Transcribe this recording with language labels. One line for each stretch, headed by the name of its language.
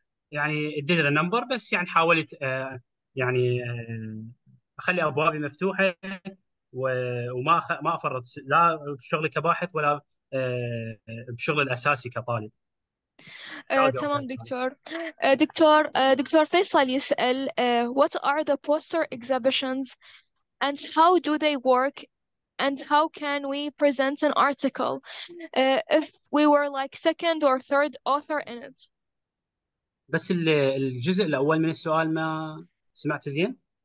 Arabic: يعني
English: it did a number
Arabic: بس يعني حاولت يعني اخلي ابوابي مفتوحه وما افرط لا بشغلي كباحث ولا بشغلي الاساسي كطالب. عاوده تمام اخرى طالب. دكتور. دكتور فيصل يسأل
English: what are the poster exhibitions and how do they work and how can we present an article if we were like second or third author in it.
Arabic: بس الجزء الأول من السؤال ما سمعت زين؟